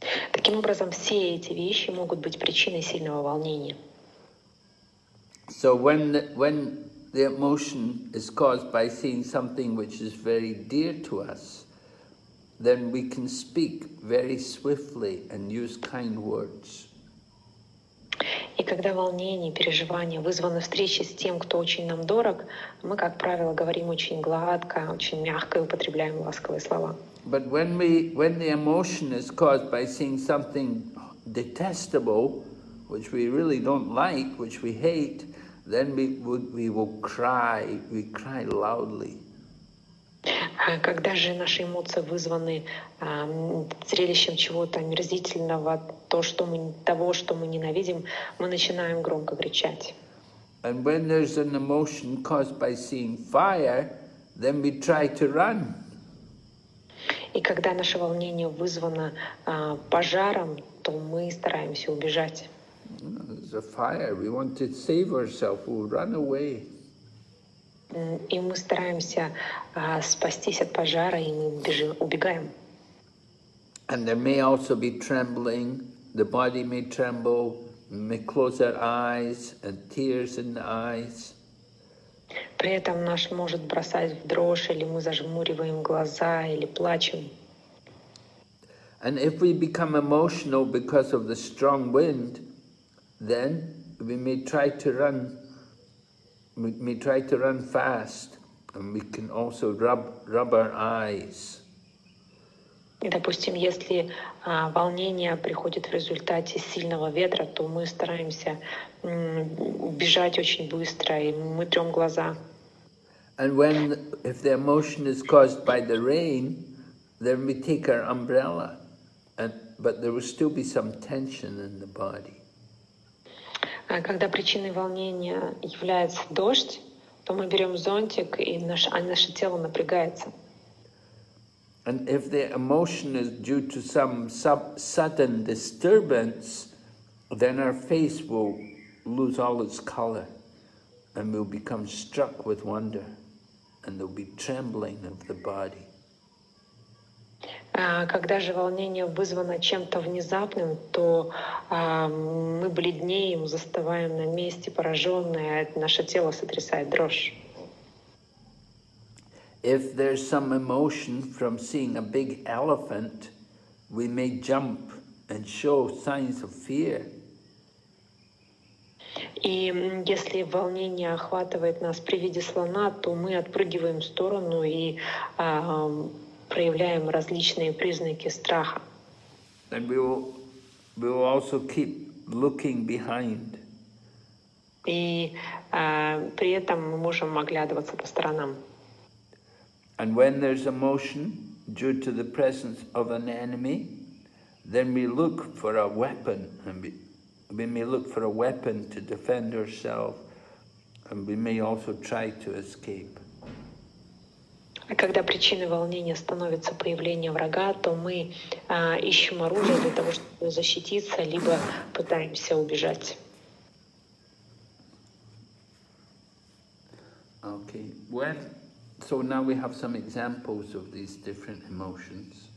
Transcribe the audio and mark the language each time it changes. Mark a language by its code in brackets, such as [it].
[ru] Таким образом, все эти вещи могут быть причиной сильного волнения. [en] So when the emotion is caused by seeing something which is very dear to us, then we can speak very swiftly and use kind words. [ru] И когда волнение, переживание вызвано встречей с тем, кто очень нам дорог, мы, как правило, говорим очень гладко, очень мягко и употребляем ласковые слова. [en] But when the emotion is caused by seeing something detestable, which we really don't like, which we hate, then we will cry, we cry loudly. [ru] Когда же наши эмоции вызваны зрелищем чего-то омерзительного, того, что мы ненавидим, мы начинаем громко кричать. [en] And when there's an emotion caused by seeing fire, then we try to run. [ru] И когда наше волнение вызвано пожаром, то мы стараемся убежать. [en] There's a fire, we want to save ourselves, we'll run away. [ru] И мы стараемся спастись от пожара, и мы убегаем. [en] And there may also be trembling, the body may tremble, we may close our eyes, and tears in the eyes. [ru] При этом наш может бросать в дрожь, или мы зажмуриваем глаза, или плачем. [en] And if we become emotional because of the strong wind, then we may try to run. We may try to run fast, and we can also rub our eyes. [ru] Допустим, если волнение приходит в результате сильного ветра, то мы стараемся бежать очень быстро, и мы трем глаза. [en] And when, if the emotion is caused by the rain, then we take our umbrella, but there will still be some tension in the body. [ru] Когда причиной волнения является дождь, то мы берем зонтик, и наше тело напрягается. [en] And if the emotion is due to some sudden disturbance, then our face will lose all its color, and we'll become struck with wonder, and there'll be trembling of the body. [ru] Когда же волнение вызвано чем-то внезапным, то мы бледнеем, застываем на месте, пораженные, наше тело сотрясает дрожь. [en] If there's some emotion from seeing a big elephant, we may jump and show signs of fear. [ru] И если волнение охватывает нас при виде слона, то мы отпрыгиваем в сторону и проявляем различные признаки страха. [en] And we will also keep looking behind. [ru] И при этом мы можем оглядываться по сторонам. [en] And when there's emotion due to the presence of an enemy, then we look for a weapon, and we may look for a weapon to defend ourselves, and we may also try to escape. [ru] А когда причиной волнения становится появление врага, то мы ищем оружие для того, чтобы защититься, либо пытаемся убежать. [en] Okay. Well, so now we have some examples of these different emotions.